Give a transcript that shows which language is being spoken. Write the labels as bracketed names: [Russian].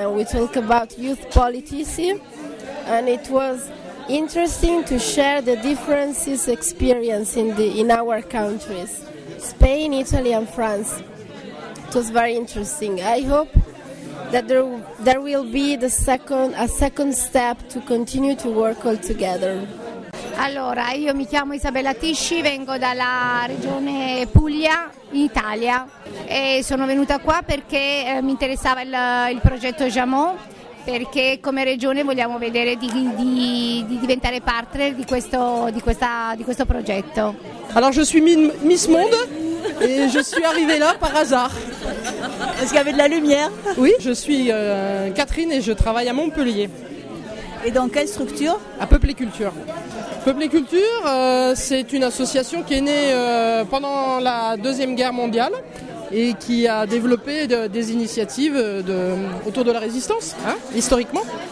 [English] We talk about youth politics, and it was interesting to share the differences experience in our countries, Spain, Italy, and France. It was very interesting. I hope that there will be a second step to continue to work all together. [Italian] Allora, io mi chiamo Isabella Tisci, vengo dalla regione Puglia, in Italia, e sono venuta qua perché mi interessava il progetto JAMO, perché come regione vogliamo vedere di diventare partner di questo progetto. Allora, [French] je suis Miss Monde e je suis arrivée là par hasard. Parce qu'il y avait de la lumière. Oui, je suis Catherine et je travaille à Montpellier. Et dans quelle structure? À Peuple et Culture. Peuple et Culture, c'est une association qui est née pendant la Deuxième Guerre mondiale et qui a développé des initiatives autour de la résistance, hein, historiquement.